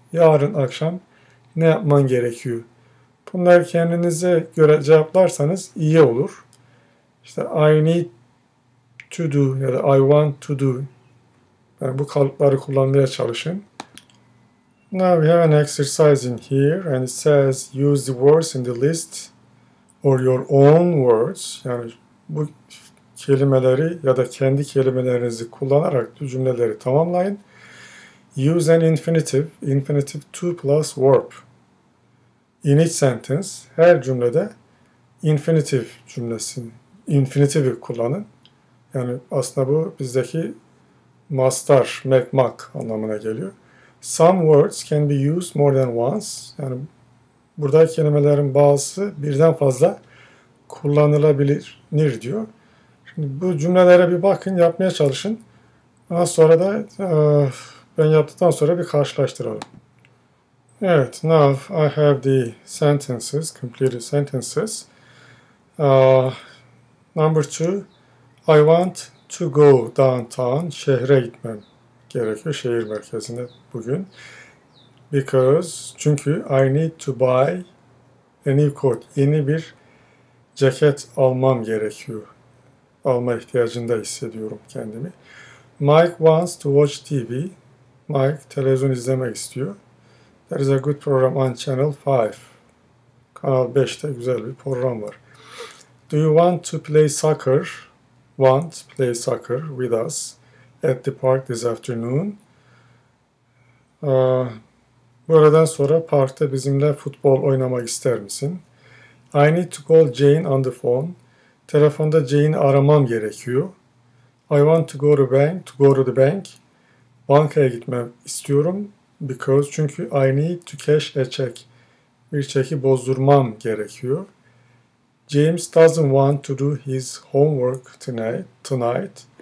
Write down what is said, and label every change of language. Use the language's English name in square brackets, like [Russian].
[Turkish] Yarın akşam ne yapman gerekiyor? Bunları kendinize göre cevaplarsanız iyi olur. İşte [English] I need to do [Turkish] ya da [English] I want to do. [Turkish] Yani bu kalıpları kullanmaya çalışın. [English] Now we have an exercise in here and it says use the words in the list or your own words. [Turkish] Yani bu kelimeleri ya da kendi kelimelerinizi kullanarak cümleleri tamamlayın. [English] Use an infinitive, infinitive 2 plus verb. In each sentence, [Turkish] her cümlede infinitive cümlesini, infinitive'i kullanın. Yani aslında bu bizdeki mastar, mekmak anlamına geliyor. [English] Some words can be used more than once. [Turkish] Yani burada kelimelerin bazısı birden fazla kullanılabilir diyor. Şimdi bu cümlelere bir bakın, yapmaya çalışın. Daha sonra da ben yaptıktan sonra bir karşılaştıralım. Evet, [English] now I have the sentences, completed sentences. Number two, I want to go downtown, [Turkish] şehre gitmem gerekiyor, şehir merkezine bugün. [English] Because, [Turkish] çünkü [English] I need to buy a new coat, [Turkish] yeni bir ceket almam gerekiyor. Alma ihtiyacında hissediyorum kendimi. [English] Mike wants to watch TV. [Turkish] Mike televizyon izlemek istiyor. [English] There is a good program on Channel 5. [Turkish] Kanal 5'te güzel bir program var. [English] Do you want to play soccer? Want to play soccer with us at the park this afternoon? [Turkish] Bu aradan sonra parkta bizimle futbol oynamak ister misin? [English] I need to call Jane on the phone. [Turkish] Telefonda Jane'i aramam gerekiyor. [English] I want to go to bank, to go to the bank. [Turkish] Bankaya gitmem istiyorum [English] because [Turkish] çünkü [English] I need to cash a check. [Turkish] Bir çeki bozdurmam gerekiyor. [English] James doesn't want to do his homework tonight.